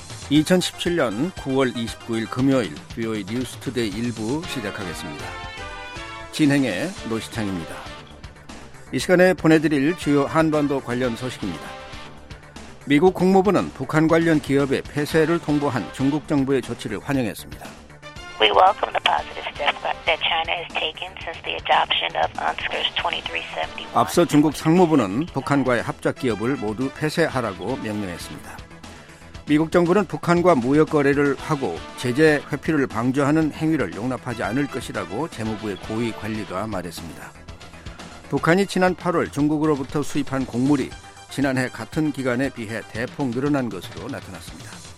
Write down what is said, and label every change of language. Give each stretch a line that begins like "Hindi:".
Korean: 2017년 9월 29일 금요일 VOA 뉴스 투데이 1부 시작하겠습니다. 진행의 노시창입니다. 이 시간에 보내드릴 주요 한반도 관련 소식입니다. 미국 국무부는 북한 관련 기업의 폐쇄를 통보한 중국 정부의 조치를 환영했습니다.
English: We welcome the positive step that China has taken since the adoption of UNSCR's 2371.
Korean: 앞서 중국 상무부는 북한과의 합작 기업을 모두 폐쇄하라고 명령했습니다. 미국 정부는 북한과 무역 거래를 하고 제재 회피를 방조하는 행위를 용납하지 않을 것이라고 재무부의 고위 관리가 말했습니다. 북한이 지난 8월 중국으로부터 수입한 곡물이 지난해 같은 기간에 비해 대폭 늘어난 것으로 나타났습니다.